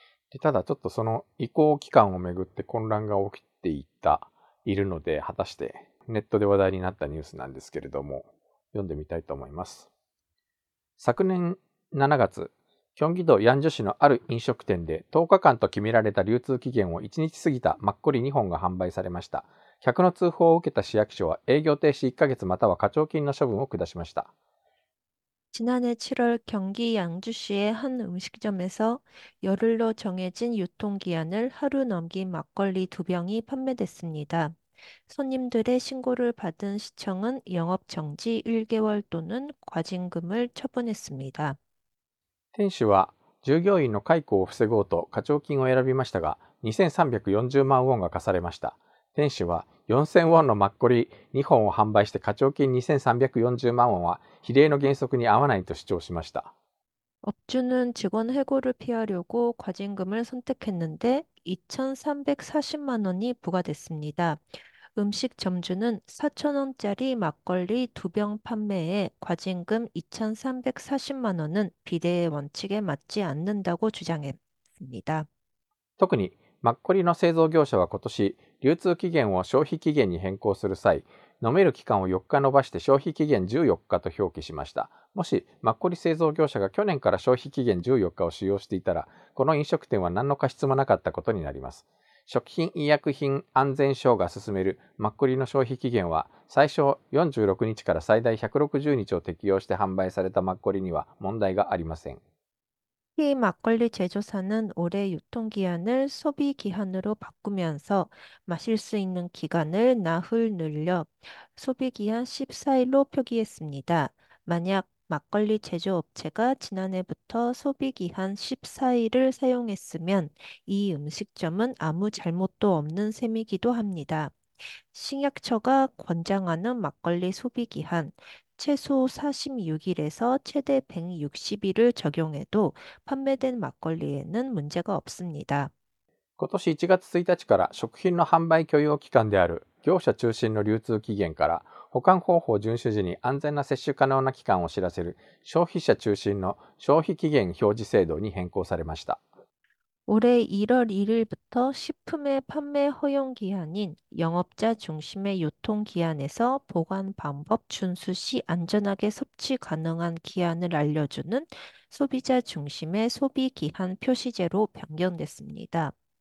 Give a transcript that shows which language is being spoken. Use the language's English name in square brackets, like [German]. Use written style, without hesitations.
[Japanese] で、ただちょっとその移行期間をめぐって混乱が起きていた、いるので、果たしてネットで話題になったニュースなんですけれども、読んでみたいと思います。昨年7月、京畿道ヤンジュ市のある飲食店で10日間と決められた流通期限を1日過ぎたマッコリ2本が販売されました。客の通報を受けた市役所は営業停止1ヶ月または課徴金の処分を下しました。 [Korean] 지난해 7월 경기 양주시의 한 음식점에서 열흘로 정해진 유통기한을 하루 넘긴 막걸리 두 병이 판매됐습니다. 손님들의 신고를 받은 시청은 영업정지 1개월 또는 과징금을 처분했습니다. [Japanese] 店主は従業員の解雇を防ごうと課徴金を選びましたが、2340万ウォンが課されました。店主は4000ウォンのマッコリ2本を販売して課徴金2340万ウォンは比例の原則に合わないと主張しました。 업주는 직원 해고를 피하려고 과징금을 선택했는데 2,340만 원이 부과됐습니다. 음식 점주는 4,000원짜리 막걸리 2병 판매에 과징금 2,340만 원은 비대위 원칙에 맞지 않는다고 주장했습니다. 特に、マッコリの製造業者は今年、流通期限を消費期限に変更する際、飲める期間を4日延ばして消費期限14日と表記しました。もし、マッコリ製造業者が去年から消費期限14日を使用していたら、この飲食店は何の過失もなかったことになります。食品医薬品安全省が進めるマッコリの消費期限は、最初46日から最大160日を適用して販売されたマッコリには問題がありません。 [Korean] 이 막걸리 제조사는 올해 유통기한을 소비기한으로 바꾸면서 마실 수 있는 기간을 나흘 늘려 소비기한 14일로 표기했습니다. 만약 막걸리 제조업체가 지난해부터 소비기한 14일을 사용했으면 이 음식점은 아무 잘못도 없는 셈이기도 합니다. 식약처가 권장하는 막걸리 소비기한 최소 46일에서 최대 160일을 적용해도 판매된 막걸리에는 문제가 없습니다. [Japanese] 今年1月1日から食品の販売許容期間である業者中心の流通期限から保管方法遵守時に安全な摂取可能な期間を知らせる消費者中心の消費期限表示制度に変更されました。 [Korean] 올해 1월 1일부터 식품의 판매 허용 기한인 영업자 중심의 유통 기한에서 보관 방법 준수 시 안전하게 섭취 가능한 기한을 알려주는 소비자 중심의 소비 기한 표시제로 변경됐습니다.